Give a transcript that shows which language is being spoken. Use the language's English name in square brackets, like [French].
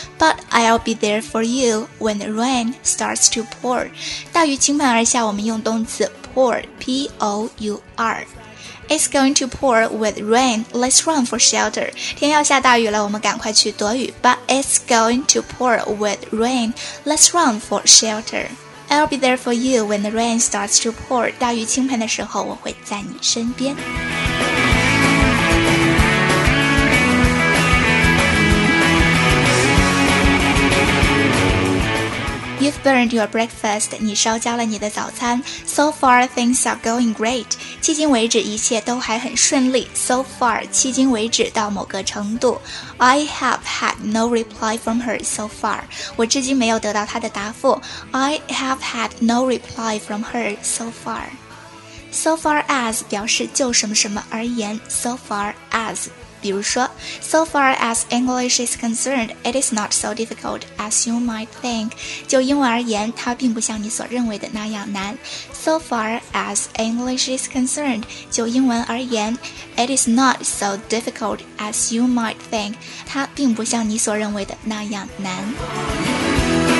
[English] But I'll be there for you when the rain starts to pour。 [Chinese] 大雨倾盆而下，我们用动词 pour， P-O-U-R。 [English] It's going to pour with rain. Let's run for shelter. [Chinese] 天要下大雨了，我们赶快去躲雨。 [English] But it's going to pour with rain. Let's run for shelter. I'll be there for you when the rain starts to pour. [Chinese] 大雨倾盆的时候，我会在你身边。 [English] You've burned your breakfast. [Chinese] 你烧焦了你的早餐。 [English] So far, things are going great. [Chinese] 迄今为止，一切都还很顺利。 [English] So far, [Chinese] 迄今为止到某个程度。 [English] I have had no reply from her so far. [Chinese] 我至今没有得到她的答复。 [English] I have had no reply from her so far. [Chinese] So far as 表示就什么什么而言。So far as. 比如说 [English] So far as English is concerned, it is not so difficult as you might think. [Chinese] 就英文而言，它并不像你所认为的那样难。 [English] So far as English is concerned, [Chinese] 就英文而言， [English] it is not so difficult as you might think. [Chinese] 它并不像你所认为的那样难。